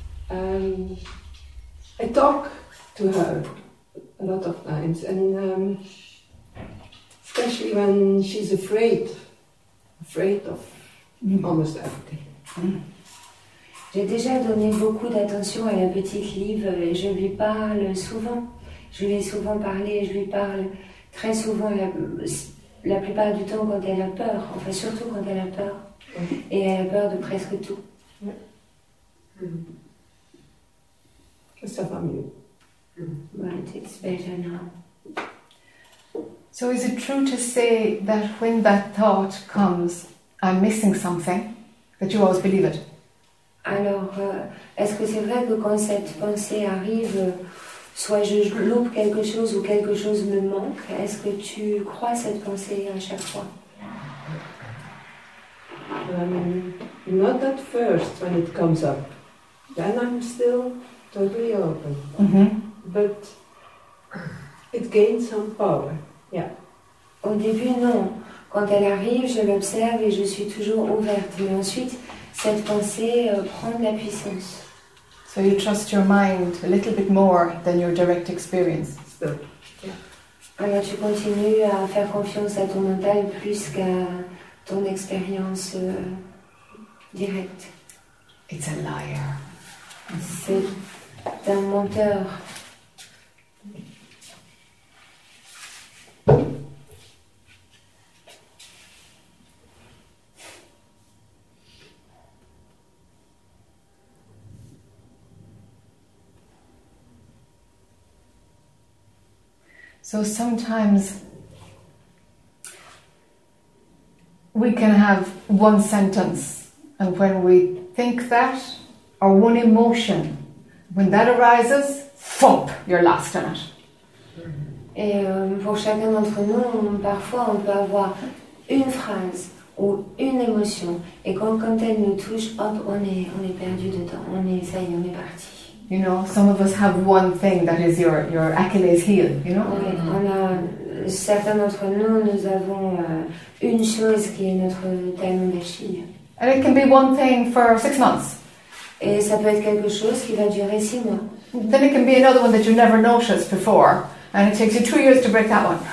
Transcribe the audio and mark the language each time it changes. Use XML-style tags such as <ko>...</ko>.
<en>I talk to her a lot of times, and especially when she's afraid of. Almost everything.</en> <fr>J'ai déjà donné beaucoup d'attention à la petite Liv et je lui parle souvent. Je lui ai souvent parlé et je lui parle très souvent la plupart du temps quand elle a peur, enfin surtout quand elle a peur. Mm. Et elle a peur de presque tout. Mm. Mm. Ça va mieux.</fr> <en>Mm. But it's better now. So is it true to say that when that thought comes, I'm missing something, that you always believe it?</en> <fr>Alors, est-ce que c'est vrai que quand cette pensée arrive, soit je loupe quelque chose ou quelque chose me manque, est-ce que tu crois cette pensée à chaque fois?</fr> <en>Not at first when it comes up. Then I'm still totally open. Mm-hmm. But it gains some power, yeah.</en> <fr>Au début, non. Quand elle arrive, je l'observe et je suis toujours ouverte. Mais ensuite, cette pensée prend de la puissance.</fr> <en>So you trust your mind a little bit more than your direct experience. Yeah.</en> <fr>Alors tu continues à faire confiance à ton mental plus qu'à ton expérience directe.</fr> <en>It's a liar.</en> <fr>C'est d'un menteur.</fr> <en>So sometimes we can have one sentence, and when we think that, or one emotion, when that arises, fop, you're lost in it.</en> <fr>Et pour chacun d'entre nous, parfois on peut avoir une phrase ou une émotion, et quand elle nous touche, hop, on est perdu dedans, on est parti.</fr> <en>You know, some of us have one thing that is your Achilles heel, you know?</en> <fr>Oui, on a, certains d'entre nous avons une chose qui est notre talon d'Achille.</fr> <en>And it can be one thing for 6 months.</en> <fr>Et ça peut être quelque chose qui va durer 6 mois.</fr> <en>Then it can be another one that you never noticed before, and it takes you 2 years to break that one.</en>